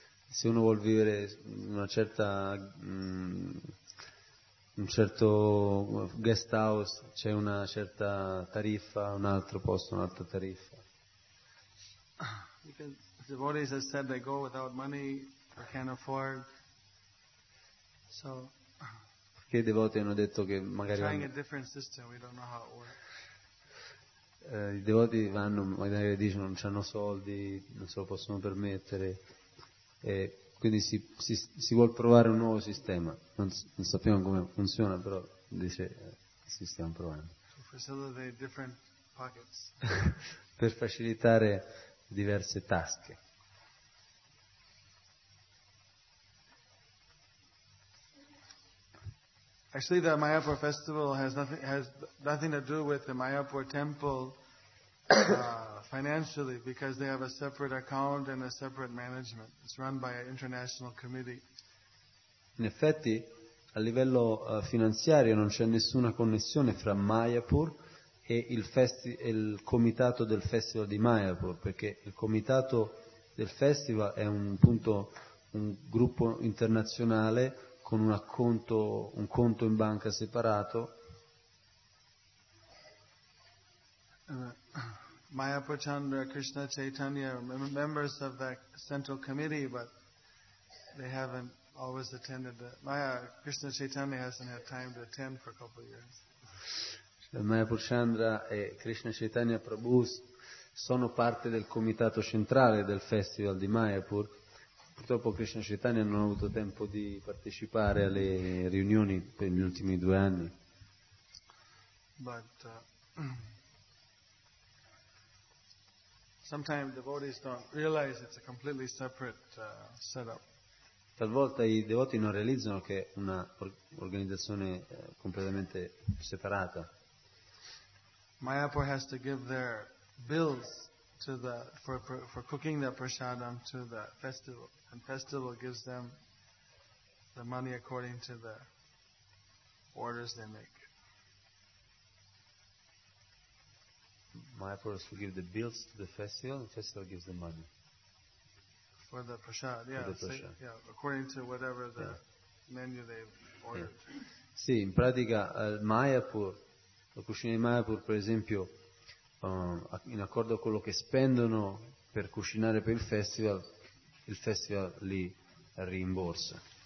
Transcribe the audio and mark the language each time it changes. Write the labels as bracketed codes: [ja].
[it] Se uno vuol vivere in una certa un certo guest house, c'è una certa tariffa, un altro posto, un'altra tariffa. [en] Because the devotees have said they go without money or can't afford. So, [it] perché i devoti hanno detto che magari [en] trying a different system, we don't know how it works. [it] I devoti vanno, magari dicono non c'hanno soldi, non se lo possono permettere, e quindi si vuol provare un nuovo sistema. Non sappiamo come funziona, però dice si stiamo provando. [en] To facilitate different pockets. [it] Per facilitare diverse tasche. [en] Actually, the Mayapur festival has nothing to do with the Mayapur temple financially, because they have a separate account and a separate management. It's run by an international committee. [it] In effetti, a livello finanziario non c'è nessuna connessione fra Mayapur e il comitato del festival di Mayapur, perché il comitato del festival è un gruppo internazionale con un conto in banca separato. [en] Mayapur Chandra, Krishna Chaitanya, members of that central committee, but they haven't always attended. Krishna Chaitanya hasn't had time to attend for a couple of years. [it] Mayapur Chandra e Krishna Chaitanya Prabhu sono parte del comitato centrale del festival di Mayapur. Purtroppo Krishna Chaitanya non ha avuto tempo di partecipare alle riunioni per gli ultimi 2 anni. [en] But sometimes devotees don't realize it's a completely separate setup. [it] Talvolta i devoti non realizzano che è una organizzazione completamente separata. [en] Mayapur has to give their bills to the for cooking the prasadam to the festival, and festival gives them the money according to the orders they make. Mayapur has to give the bills to the festival, and festival gives the money for the prasad. Yeah, according to whatever the menu they've ordered. Yeah. [it] Sì, in pratica Mayapur. La cucina di Mayapur, per esempio, in accordo a quello che spendono per cucinare per il festival li rimborsa.